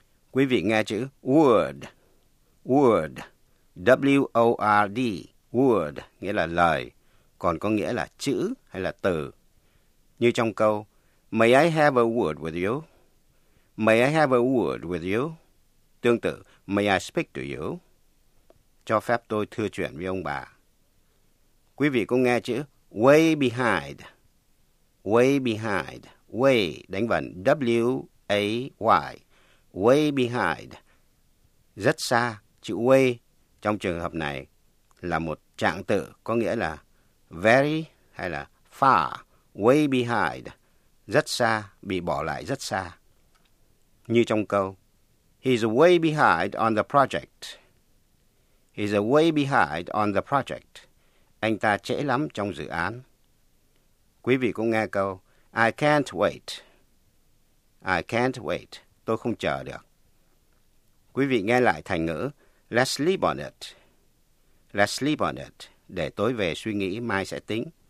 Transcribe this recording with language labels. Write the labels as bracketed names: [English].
[Vietnamese] Quý vị nghe chữ word, word, W-O-R-D. Word nghĩa là lời, còn có nghĩa là chữ hay là từ. Như trong câu, [English] may I have a word with you? May I have a word with you? [Vietnamese] Tương tự, [English] may I speak to you? [Vietnamese] Cho phép tôi thưa chuyện với ông bà. Quý vị cũng nghe chữ [English] way behind. Way behind. Way, [Vietnamese] đánh vần [English] W-A-Y. [Vietnamese] Way behind. Rất xa, chữ way trong trường hợp này là một trạng từ có nghĩa là very hay là far, [English] way behind, [Vietnamese] rất xa, bị bỏ lại rất xa. Như trong câu, [English] he's way behind on the project. He's way behind on the project. [Vietnamese] Anh ta trễ lắm trong dự án. Quý vị cũng nghe câu, [English] I can't wait. I can't wait. [Vietnamese] Tôi không chờ được. Quý vị nghe lại thành ngữ, [English] let's sleep on it. Let's sleep on it, [Vietnamese] để tối về suy nghĩ mai sẽ tính.